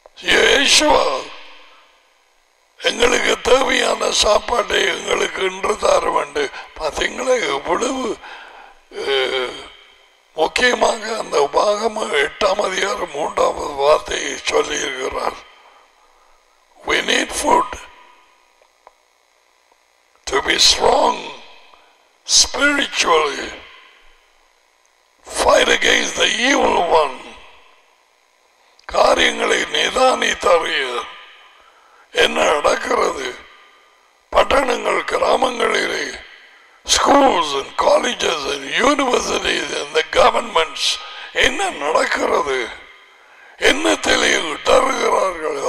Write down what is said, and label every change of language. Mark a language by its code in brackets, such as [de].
[ta] யேசுவா எங்களுக்கு தேவையான சாப்பாட்டை எங்களுக்கு இன்று தர வேண்டு. பார்த்தீங்களா எவ்வளவு முக்கியமாக அந்த உபாகம் 8:3 வார்த்தையை சொல்லியிருக்கிறார். [en] We need food to be strong spiritually, fight against the evil one. [ta] காரியங்களை நிதானி தறிய என்ன நடக்கிறது பட்டணங்கள் கிராமங்களிலே, [en] schools and colleges and universities and the governments, [ta] என்ன நடக்கிறது என்ன தெளிவு தருகிறார்கள்.